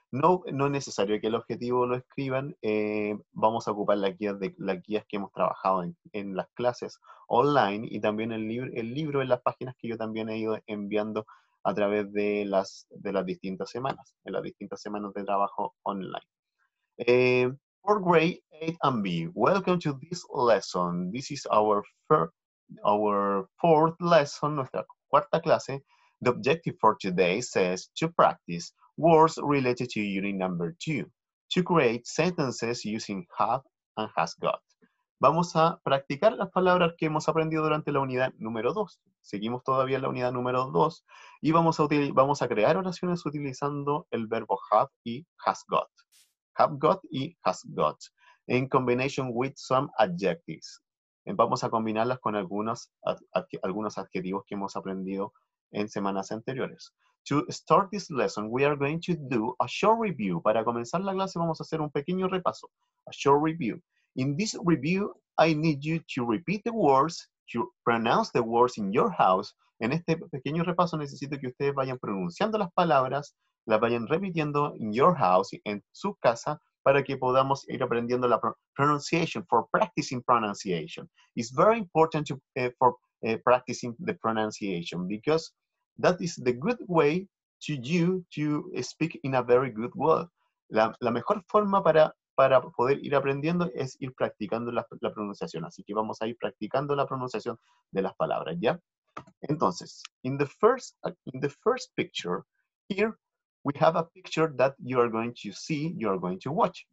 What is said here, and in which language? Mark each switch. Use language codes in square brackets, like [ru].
[es] No es necesario que el objetivo lo escriban. Vamos a ocupar las guías que hemos trabajado en las clases online y también el libro en las páginas que yo también he ido enviando a través de las distintas semanas de trabajo online. [en] For grade 8 and B, welcome to this lesson. This is our fourth lesson, [es] nuestra cuarta clase. [en] The objective for today says to practice words related to unit number 2, to create sentences using have and has got. [es] Vamos a practicar las palabras que hemos aprendido durante la unidad número 2. Seguimos todavía en la unidad número 2 y vamos a crear oraciones utilizando el verbo have y has got. [en] Have got y has got. In combination with some adjectives. [es] Vamos a combinarlas con algunos adjetivos que hemos aprendido en semanas anteriores. [en] To start this lesson, we are going to do a short review. [es] Para comenzar la clase, vamos a hacer un pequeño repaso. [en] A short review. In this review, I need you to repeat the words, to pronounce the words in your house. [es] En este pequeño repaso, necesito que ustedes vayan pronunciando las palabras, las vayan repitiendo [en] in your house, [es] en su casa, para que podamos ir aprendiendo la pronunciation, [en] for practicing pronunciation. It's very important practicing the pronunciation, because that is the good way to you to speak in a very good way. [es] La mejor forma para poder ir aprendiendo es ir practicando la pronunciación. Así que vamos a ir practicando la pronunciación de las palabras, ¿ya? [en] Entonces, in the first picture, here we have a picture that you are going to see, you are going to watch.